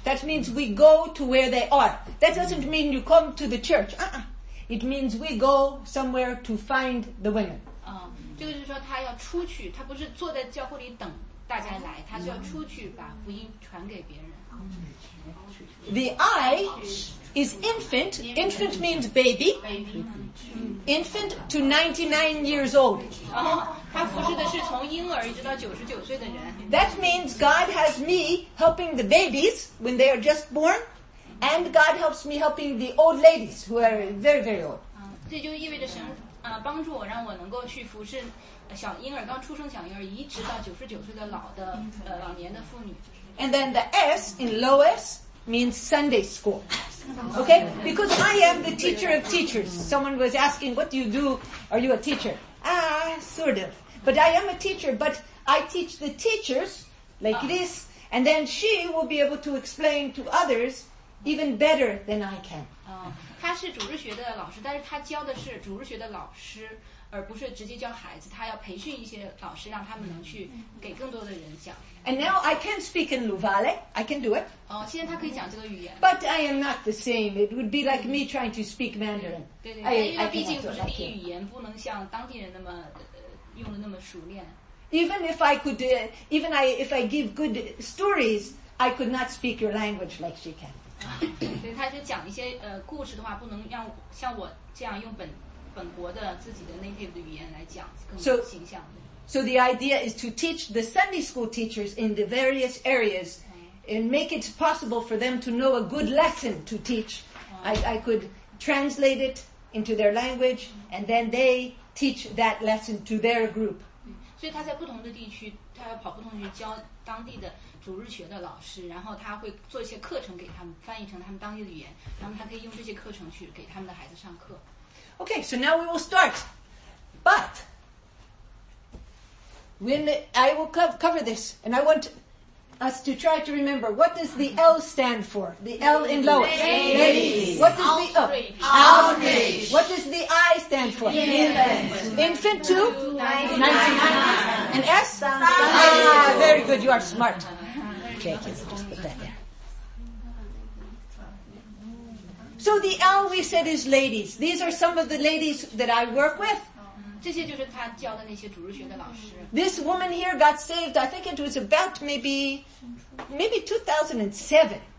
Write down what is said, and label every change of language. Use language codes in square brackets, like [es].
[en] That means we go to where they are. That doesn't mean you come to the church. It means we go somewhere to find the women. [zh] 这个就是说他要出去，他不是坐在教会里等大家来，他是要出去把福音传给别人。 [en] The I is infant. Infant means baby. Infant to 99 years old. That means God has me helping the babies when they are just born, and God helps me helping the old ladies who are very, very old. [zh] 这就意味着神帮助我，让我能够去服侍小婴儿，刚出生小婴儿，一直到99岁的老年的妇女。 [en] And then the S in Lois means Sunday school. Okay? Because I am the teacher of teachers. Someone was asking, what do you do? Are you a teacher? Sort of. But I am a teacher, but I teach the teachers like this, and then she will be able to explain to others even better than I can. [zh] 她是主日学的老师，但是她教的是主日学的老师，而不是直接教孩子。她要培训一些老师，让他们能去给更多的人讲。 [en] And now I can speak in Luvale. I can do it. [zh] 现在他可以讲这个语言。 [en] But I am not the same. It would be like me trying to speak Mandarin. [zh] 对对，因为毕竟不是第一语言，不能像当地人那么用的那么熟练。 [en] Even if I could, if I give good stories, I could not speak your language like she can. [zh] 所以他就讲一些故事的话，不能让像我这样用本国的自己的 native 的语言来讲，更形象。 [en] So the idea is to teach the Sunday school teachers in the various areas and make it possible for them to know a good lesson to teach. I could translate it into their language and then they teach that lesson to their group. [zh] 所以他在不同的地区，他要跑不同地区教当地的主日学的老师，然后他会做一些课程给他们，翻译成他们当地的语言，然后他可以用这些课程去给他们的孩子上课。 [en] Okay, so now we will start. But... When I will cover this, and I want us to try to remember, what does the L stand for? The L in Lois. Ladies. What does the outreach. What does the I stand for? Infant. Infant to? 99. And S? Very good, you are smart. Okay, let's just put that there. So the L we said is ladies. These are some of the ladies that I work with. [zh] 这些就是他教的那些主日学的老师。 [en] This woman here got saved, I think it was about maybe 2007.